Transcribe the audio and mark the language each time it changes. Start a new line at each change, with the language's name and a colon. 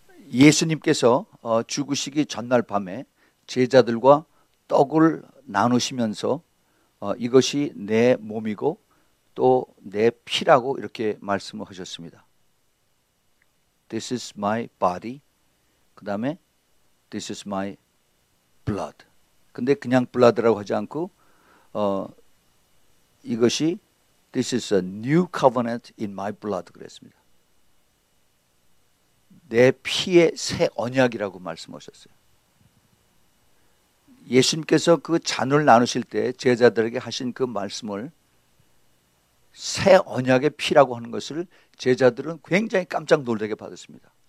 Korean: 예수님께서 죽으시기 전날 밤에 제자들과 떡을 나누시면서 이것이 내 몸이고 또 내 피라고 이렇게 말씀을 하셨습니다.
English: This is my body.
Korean: 그 다음에
English: This is my blood.
Korean: 근데 그냥 blood라고 하지 않고 이것이
English: This is a new covenant in my blood 그랬습니다.
Korean: 내 피의 새 언약이라고 말씀하셨어요. 예수님께서 그 잔을 나누실 때 제자들에게 하신 그 말씀을 새 언약의 피라고 하는 것을 제자들은 굉장히 깜짝 놀라게 받았습니다.